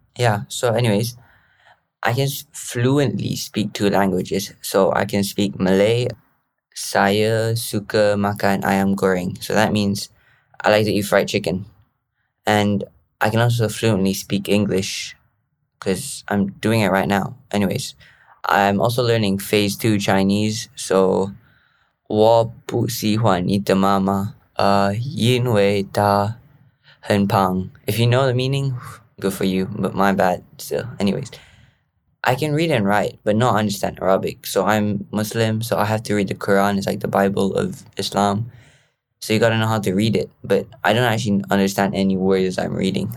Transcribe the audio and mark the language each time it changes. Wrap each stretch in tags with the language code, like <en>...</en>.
<en>Yeah, so anyways, I can fluently speak 2 languages. So I can speak Malay,</en> <ms>saya suka makan ayam goreng.</ms> <en>So that means I like to eat fried chicken. And I can also fluently speak English because I'm doing it right now. Anyways, I'm also learning phase 2 Chinese.</en> <zh>So 我不喜欢你的妈妈, 因为她很胖.</zh> <en>If you know the meaning, good for you, but my bad still. Anyways, I can read and write, but not understand Arabic. So I'm Muslim, so I have to read the Quran. It's like the Bible of Islam. So you gotta know how to read it. But I don't actually understand any words I'm reading.</en>